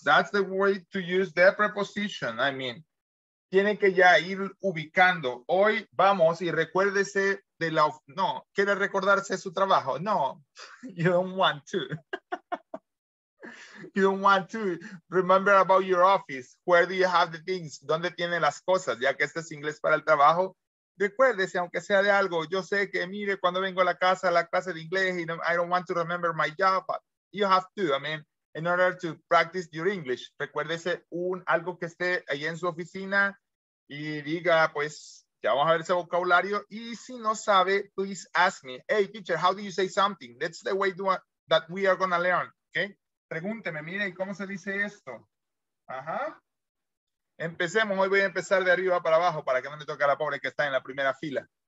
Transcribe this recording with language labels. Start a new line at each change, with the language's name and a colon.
English: That's the way to use the preposition. I mean,
Spanish: tiene que ya ir ubicando. Hoy vamos y recuérdese de la... No, ¿quiere recordarse su trabajo?
English: No, you don't want to. You don't want to remember about your office. Where do you have the things?
Spanish: ¿Dónde tiene las cosas? Ya que este es inglés para el trabajo. Recuérdese, aunque sea de algo. Yo sé que, mire, cuando vengo a la casa, a la clase de inglés,
English: you know, I don't want to remember my job, but you have to, I mean, in order to practice your English.
Spanish: Recuérdese algo que esté ahí en su oficina y diga, pues, ya vamos a ver ese vocabulario. Y si no sabe,
English: please ask me, hey, teacher, how do you say something? That's the way that we are going to learn, okay?
Spanish: Pregúnteme, mire, ¿cómo se dice esto? Ajá. Empecemos, hoy voy a empezar de arriba para abajo para que no me toque a la pobre que está en la primera fila.